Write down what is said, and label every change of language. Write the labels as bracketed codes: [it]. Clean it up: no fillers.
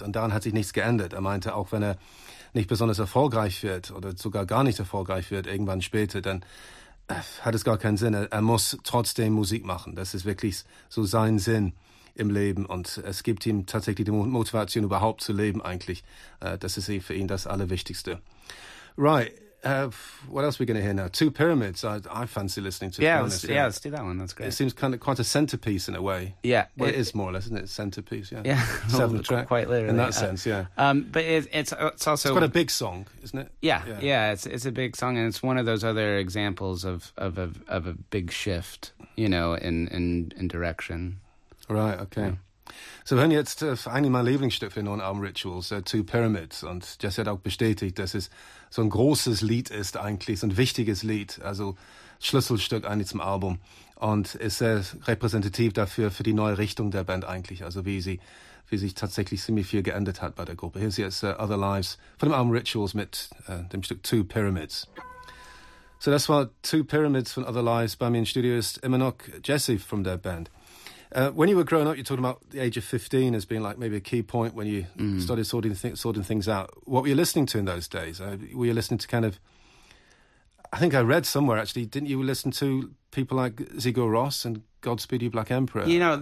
[de] Und daran hat sich nichts geändert. Er meinte, auch wenn er nicht besonders erfolgreich wird oder sogar gar nicht erfolgreich wird irgendwann später, dann hat es gar keinen Sinn. Er muss trotzdem Musik machen. Das ist wirklich so sein Sinn im Leben, und es gibt ihm tatsächlich die Motivation, überhaupt zu leben eigentlich. Das ist für ihn das Allerwichtigste. [en] Right, what else are we going to hear now? Two Pyramids, I fancy listening to. Yeah, let's do that one, that's great. It seems kind of quite a centerpiece in a way. Yeah. Well, it is more or less, isn't it? Centerpiece, yeah. Yeah, seven track, quite literally. In that sense, yeah. But it's also... It's quite a big song, isn't it? Yeah, it's a big song, and it's one of those other examples of a big shift, you know, in direction. Right, okay. [de] So wir hören jetzt eigentlich mein Lieblingsstück für den neuen Album Rituals, Two Pyramids. Und Jesse hat auch bestätigt, dass es so ein großes Lied ist eigentlich, so ein wichtiges Lied, also Schlüsselstück eigentlich zum Album. Und ist sehr repräsentativ dafür, für die neue Richtung der Band eigentlich, also wie sich tatsächlich ziemlich viel geändert hat bei der Gruppe. Hier ist jetzt Other Lives von dem Album Rituals mit dem Stück Two Pyramids. So das war Two Pyramids von Other Lives. Bei mir im Studio ist immer noch Jesse von der Band. [en] When you were growing up, you're talking about the age of 15 as being like maybe a key point when you started sorting things out. What were you listening to in those days? Were you listening to kind of, I think I read somewhere actually, didn't you listen to people like Sigur Rós and Godspeed You Black Emperor? You know,